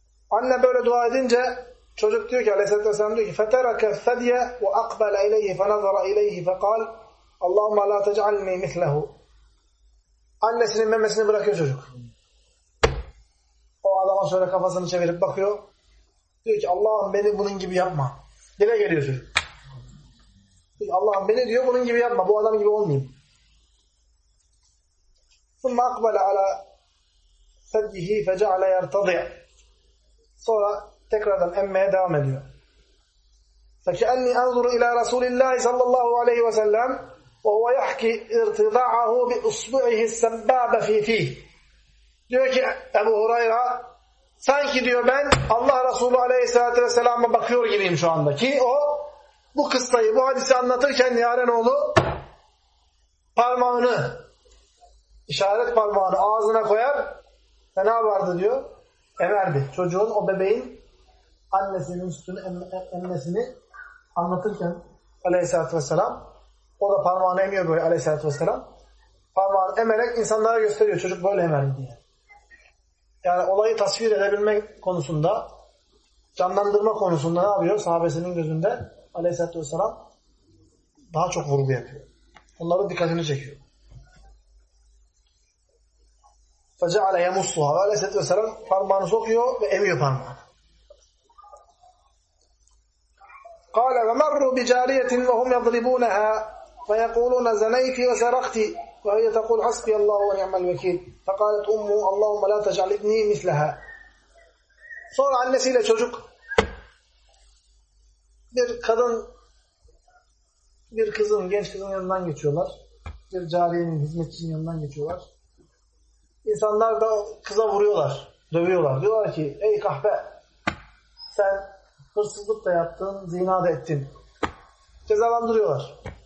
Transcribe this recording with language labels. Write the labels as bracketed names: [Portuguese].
[Turkish] Anne böyle dua edince çocuk diyor ki Aleyhisselatü Vesselam diyor ki [Arabic] فَتَرَكَ الثَّدْيَ وَاَقْبَلَ اِلَيْهِ فَنَظَرَ اِلَيْهِ فَقَالْ اللّٰهُمَّ لَا تَجْعَلْنِي مِثْلَهُ [Turkish] annesinin memesini bırakıyor çocuk. O adama şöyle kafasını çevirip bakıyor. Diyor ki Allah'ım beni bunun gibi yapma. Dile geliyor çocuk. Diyor ki Allah'ım beni diyor bunun gibi yapma. Bu adam gibi olmayayım. [Arabic] ثُمَّ اَقْبَلَ عَلَى ثَدْيِهِ فَجَعَلَ يَرْتَضِعَ [Turkish] sonra tekrardan emmeye devam ediyor. [Arabic] فَكَأَنِّي أَنْظُرُ اِلَى رَسُولِ اللّٰهِ صَلَّى اللّٰهُ عَلَيْهِ وَسَلَّمْ وَهُوَ يَحْكِ اِرْتِضَاعَهُ بِاُصْبُعِهِ السَّبَّابَ فِي فِي [Turkish] diyor ki Ebu Hureyre sanki diyor ben Allah Resulü Aleyhisselatü Vesselam'a bakıyor gibiyim şu anda ki o bu kıssayı, bu hadisi anlatırken Yarenoğlu parmağını işaret parmağını ağzına koyar ve ne vardı diyor emerdi. Çocuğun, o bebeğin annesinin sütünü emmesini anlatırken Aleyhisselatü Vesselam o da parmağını emiyor böyle Aleyhisselatü Vesselam. Parmağını emerek insanlara gösteriyor. Çocuk böyle emerdi diye. Yani olayı tasvir edebilme konusunda, canlandırma konusunda ne yapıyor? Sahabesinin gözünde Aleyhisselatü Vesselam daha çok vurgu yapıyor. Onların dikkatini çekiyor. [Arabic] فَجَعَلَ يَمُصُّهَا [Turkish] Aleyhisselatü Vesselam parmağını sokuyor ve emiyor parmağını. [Arabic] قال ومروا بجارية وهم يضربونها فيقولون زنيتي وسرقت وهي تقول حسبي الله ونعم الوكيل فقالت أمه اللهم لا تجعل ابني مثلها. [Turkish] Sonra annesiyle çocuk bir kadın bir kızın genç kızın yanından geçiyorlar. Bir cariyenin hizmetçinin yanından geçiyorlar. İnsanlar da kıza vuruyorlar, dövüyorlar. Diyorlar ki ey kahpe sen hırsızlık da yaptın, zina da ettin. Cezalandırıyorlar.